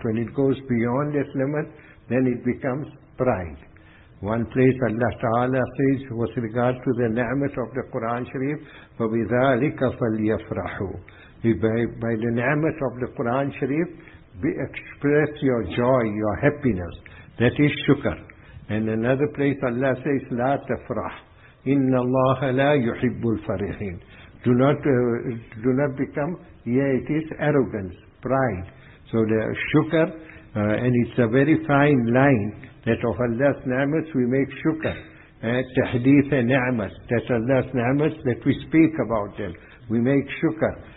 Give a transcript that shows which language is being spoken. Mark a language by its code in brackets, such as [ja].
[en] When it goes beyond that limit, then it becomes pride. One place Allah Ta'ala says with regard to the ni'mat of the Qur'an Sharif, [ar] فَبِذَٰلِكَ فَلْيَفْرَحُوا. [en] By the ni'mat of the Qur'an Sharif, express your joy, your happiness. That is shukr. And another place Allah says, [ar] لَا تَفْرَحْ إِنَّ اللَّهَ لَا يُحِبُّ الْفَرِحِينَ. [en] Do not become, yeah, it is arrogance, pride. So the shukr, and it's a very fine line, that of Allah's ni'mat we make shukr, tahdith and ni'mat, that Allah's ni'mat that we speak about them, we make shukr.